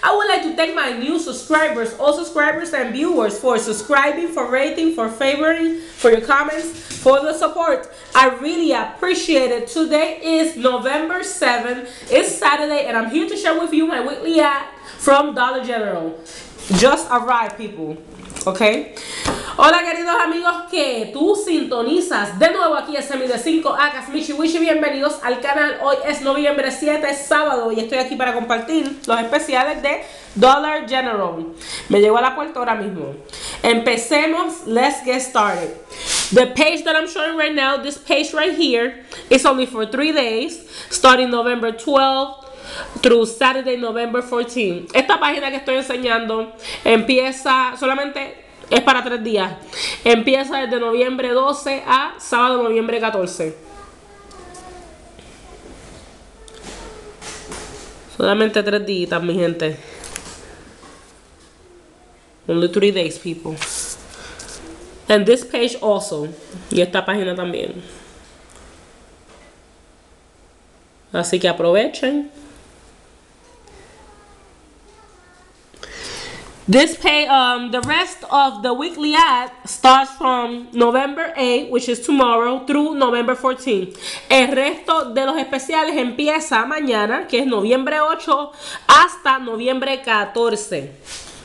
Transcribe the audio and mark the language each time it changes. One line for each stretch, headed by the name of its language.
English: I would like to thank my new subscribers, all subscribers and viewers, for subscribing, for rating, for favoring, for your comments, for the support. I really appreciate it. Today is November 7th. It's Saturday and I'm here to share with you my weekly ad from Dollar General. Just arrived, people. Okay.
Spanish: Hola queridos amigos que tú sintonizas de nuevo aquí en Semi de 5 Acas Michi Wichi, bienvenidos al canal. Hoy es noviembre 7, es sábado y estoy aquí para compartir los especiales de Dollar General. Me llegó a la puerta ahora mismo. Empecemos,
English: let's get started. The page that I'm showing right now, this page right here, is only for 3 days, starting November 12th. Through Saturday, November 14.
Spanish: Esta página que estoy enseñando empieza solamente es para 3 días. Empieza desde noviembre 12 a sábado, noviembre 14. Solamente 3 días, mi gente.
English: Only 3 days, people. And this page also.
Spanish: Y esta página también. Así que aprovechen.
English: This pay, the rest of the weekly ad starts from November 8, which is tomorrow, through November 14.
Spanish: El resto de los especiales empieza mañana, que es noviembre 8, hasta noviembre 14.